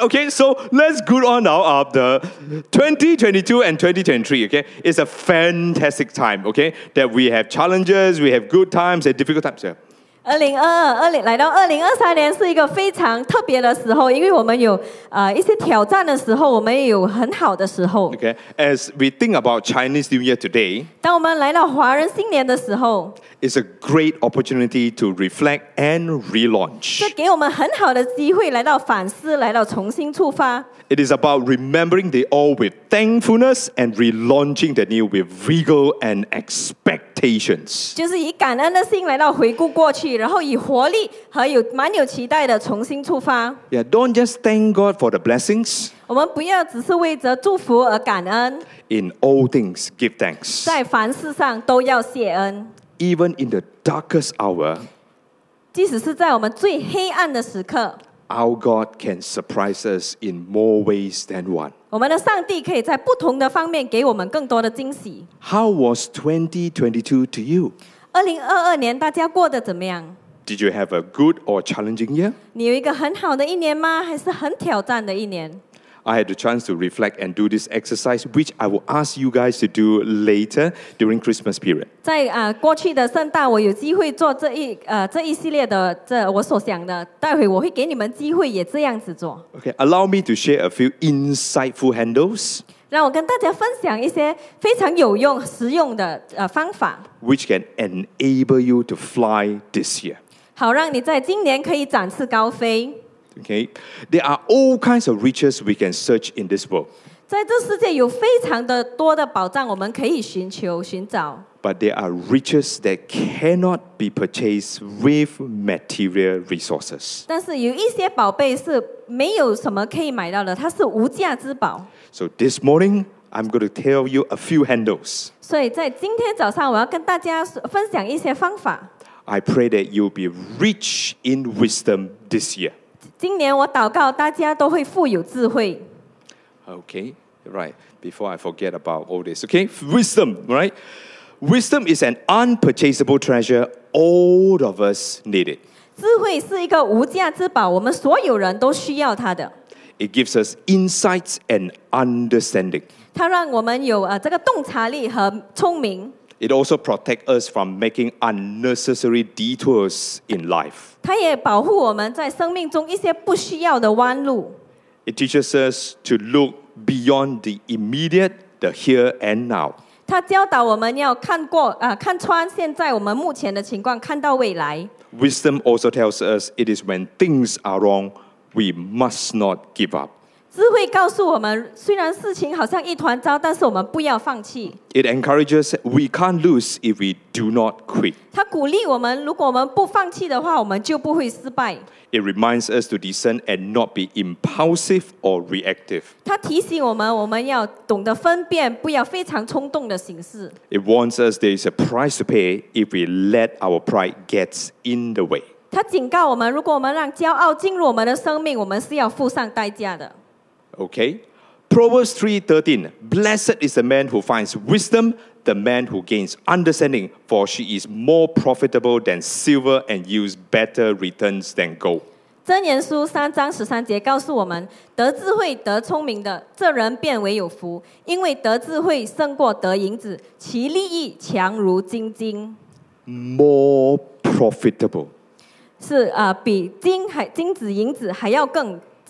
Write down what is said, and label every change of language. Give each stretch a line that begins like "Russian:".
English: Okay, so let's go on now of the 2022 and 2023, okay? It's a fantastic time, okay? That we have challenges, we have good times and difficult times, yeah.
Chinese: 2022来到2023年是一个非常特别的时候，因为我们有一些挑战的时候，我们也有很好的时候。
English: Okay, as we think about Chinese New Year today,
Chinese: 当我们来到华人新年的时候,
English: it's a great opportunity to reflect and relaunch.
Chinese: 这给我们很好的机会来到反思，来到重新出发。
English: It is about remembering the old with thankfulness and relaunching the new with vigor and expectation. expectations.
Chinese: 就是以感恩的心来到回顾过去，然后以活力和有蛮有期待的重新出发。
English: Yeah, don't just thank God for the blessings.
Chinese: 我们不要只是为着祝福而感恩。
English: In all things, give thanks.
Chinese: 在凡事上都要谢恩。
English: Even in the darkest hour.
Chinese: 即使是在我们最黑暗的时刻。
English: Our God can surprise us in more ways than one.
Chinese: 我们的上帝可以在不同的方面给我们更多的惊喜。
English: How was 2022 to you?
Chinese: 2022年大家过得怎么样？
English: Did you have a good or challenging year?
Chinese: 你有一个很好的一年吗？还是很挑战的一年？
English: I had the chance to reflect and do this exercise, which I will ask you guys to do later during Christmas period.
Chinese: 在过去的圣诞，我有机会做这一系列的这我所想的，待会我会给你们机会也这样子做。
English: Okay, allow me to share a few insightful handles.
Chinese: 让我跟大家分享一些非常有用、实用的方法
English: ，which can enable you to fly this year.
Chinese: 好，让你在今年可以展翅高飞。
English: Okay, there are all kinds of riches we can search in this world.
Chinese: 在这世界有非常的多的宝藏我们可以寻求寻找。
English: But there are riches that cannot be purchased with material resources.
Chinese: 但是有一些宝贝是没有什么可以买到的，它是无价之宝。
English: So this morning, I'm going to tell you a few handles.
Chinese: 所以在今天早上，我要跟大家分享一些方法。
English: I pray that you'll be rich in wisdom this year.
Chinese: 今年我祷告大家都会富有智慧。
English: Okay, right. Before I forget about all this, okay? Wisdom, right? Wisdom is an unpurchasable treasure. All of us need it.
Chinese: 智慧是一个无价之宝，我们所有人都需要它的。
English: It gives us insights and understanding.
Chinese: 它让我们有这个洞察力和聪明。
English: It also protects us from making unnecessary detours in life.
Chinese: 它也保护我们在生命中一些不需要的弯路。
English: It teaches us to look beyond the immediate, the here and now.
Chinese: 它教导我们要看过看穿现在我们目前的情况，看到未来。
English: Wisdom also tells us it is when things are wrong, we must not give up.
Chinese: 智慧告诉我们，虽然事情好像一团糟，但是我们不要放弃。
English: It encourages we can't lose if we do not quit.
Chinese: 它鼓励我们，如果我们不放弃的话，我们就不会失败。
English: It reminds us to discern and not be impulsive or reactive.
Chinese: 它提醒我们，我们要懂得分辨，不要非常冲动的行事。
English: It warns us there is a price to pay if we let our pride get in the way.
Chinese: 它警告我们，如果我们让骄傲进入我们的生命，我们是要付上代价的。
English: Okay, Proverbs 3:13. Blessed is the man who finds wisdom, the man who gains understanding, for she is more profitable than silver and yields better returns than gold.
Chinese: 箴言书三章十三节告诉我们，得智慧、得聪明的，这人变为有福，因为得智慧胜过得银子，其利益强如金金。
English: More profitable
Chinese: 是比金还金子银子还要更。